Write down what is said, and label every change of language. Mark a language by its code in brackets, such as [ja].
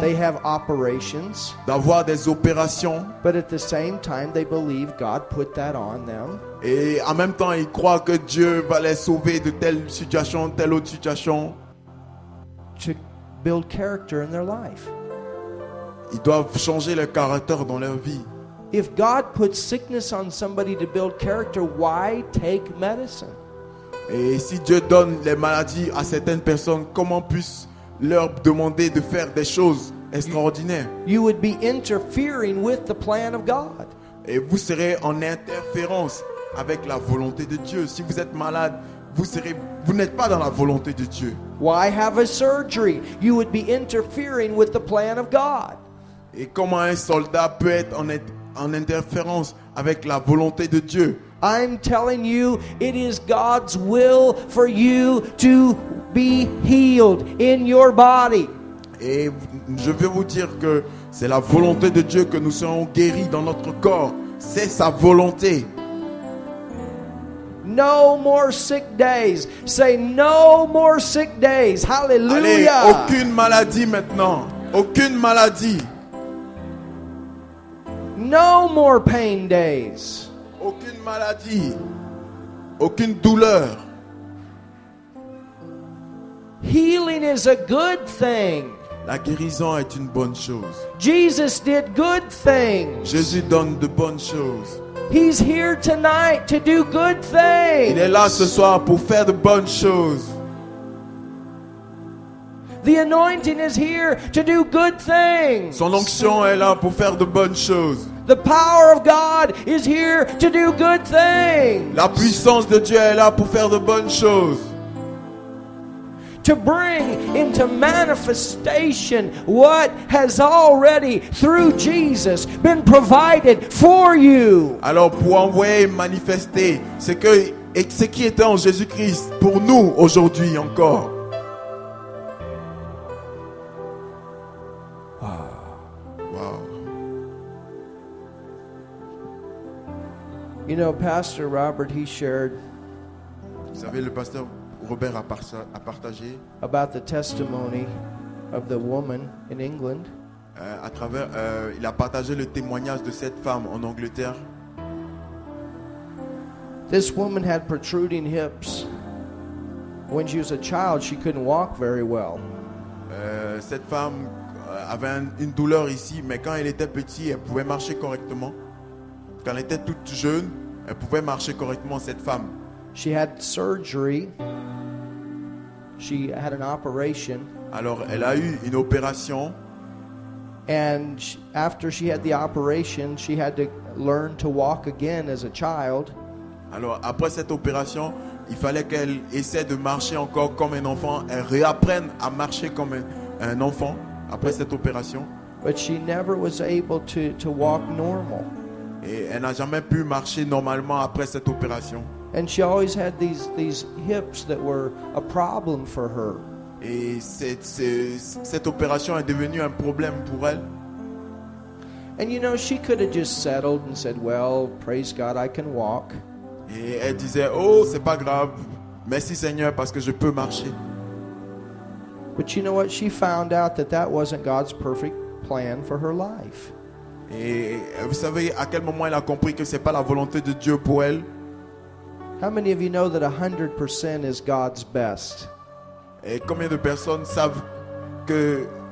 [en] They have operations. [fr] D'avoir des opérations. [en] But at the same time, they believe God put that on them. [fr] Et en même temps, ils croient que Dieu va les sauver de telle situation, telle autre situation. [en] To build character in their life. [fr] Ils doivent changer leur caractère dans leur vie. [en] If God puts sickness on somebody to build character, why take medicine? [fr] Et si Dieu donne les maladies à certaines personnes, comment puisse leur demander de faire des choses extraordinaires? [en] You would be interfering with the plan of God. [fr] Et vous serez en interférence avec la volonté de Dieu. Si vous êtes malade, vous n'êtes pas dans la volonté de Dieu. [en] Why have a surgery? You would be interfering with the plan of God. [fr] Et comment un soldat peut être en interférence avec la volonté de Dieu? [en] I'm telling you, it is God's will for you to be healed in your body. [fr] Et je veux vous dire que c'est la volonté de Dieu que nous soyons guéris dans notre corps. C'est sa volonté. [en] No more sick days. Say no more sick days. Hallelujah. [fr] Allez, aucune maladie maintenant. Aucune maladie. [en] No more pain days. [fr] Aucune maladie, aucune douleur. [en] Healing is a good thing. [fr] La guérison est une bonne chose. [en] Jesus did good things. [fr] Jésus donne de bonnes choses. [en] He's here tonight to do good things. [fr] Il est là ce soir pour faire de bonnes choses. [en] The anointing is here to do good things. [fr] Son onction est là pour faire de bonnes choses. [en] The power of God is here to do good things. [fr] La puissance de Dieu est là pour faire de bonnes choses. [en] To bring into manifestation what has already through Jesus been provided for you. [fr] Alors pour envoyer manifester ce qui était en Jésus-Christ pour nous aujourd'hui encore. [en] You know, Pastor Robert, he shared. [fr] Vous savez, le pasteur Robert a partagé [en] about the testimony of the woman in England. [fr] Il a partagé le témoignage de cette femme en Angleterre. [en] This woman had protruding hips. When she was a child, she couldn't walk very well. [fr] Cette femme avait une douleur ici, mais quand elle était petite, elle pouvait marcher correctement. Quand elle était toute jeune, elle pouvait marcher correctement, cette femme. [en] She had surgery. She had an operation. [fr] Alors, elle a eu une opération. [en] And after she had the operation, she had to learn to walk again as a child. [fr] Alors, après cette opération, il fallait qu'elle essaie de marcher encore comme un enfant. Elle réapprenne à marcher comme un enfant après cette opération. [en] But she never was able to walk normal. [fr] Et elle n'a jamais pu marcher normalement après cette opération. [en] And she always had these hips that were a problem for her. [fr] Et cette opération est devenue un problème pour elle. [en] And you know, she could have just settled and said, well, praise God, I can walk. [fr] Et elle disait, oh, c'est pas grave. Merci Seigneur parce que je peux marcher. [en] But you know what? She found out that wasn't God's perfect plan for her life. [fr] Et vous savez à quel moment elle a compris que ce n'est pas la volonté de Dieu pour elle? [en] How many of you know that 100% is God's best? [fr] Et combien de personnes savent que